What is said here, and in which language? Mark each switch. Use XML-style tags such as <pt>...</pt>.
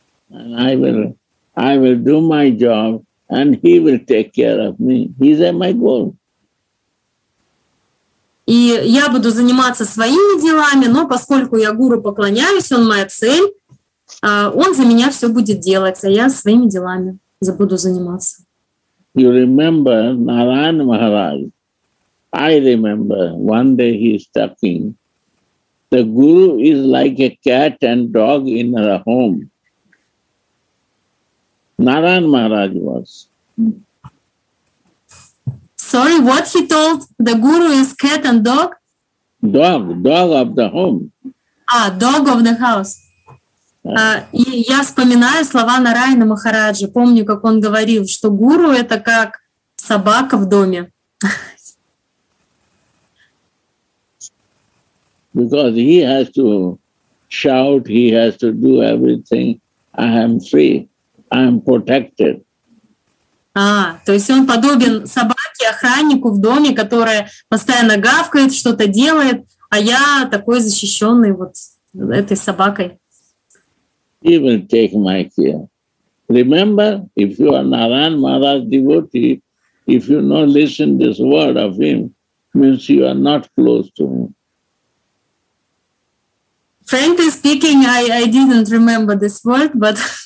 <en>And I will do my job, and he will take care of me. He's at my goal.</en> <ru>И я буду заниматься своими делами, но поскольку я гуру поклоняюсь, он моя цель, он за меня все будет делать, а я своими делами буду заниматься.</ru> <en>You remember Narayan Maharaj? I remember one day he's talking. The guru is like a cat and dog in our home. Narayan Maharaj was. Sorry, what he told? The guru is cat and dog? Dog of the home. Dog of the house.</en> <ru>И я вспоминаю слова Нараяна Махараджа. Помню, как он говорил, что гуру — это как собака в доме.</ru> <en>Because he has to shout, he has to do everything. I am free, I am protected.</en> <ru>То есть он подобен собаке, охраннику в доме, которая постоянно гавкает, что-то делает, а я такой защищенный вот этой собакой.</ru> <en>He will take my care. Remember, if you are Narayan Maharaj devotee, if you not listen this word of him, means you are not close to him. Frankly speaking, I didn't remember this word, but</en>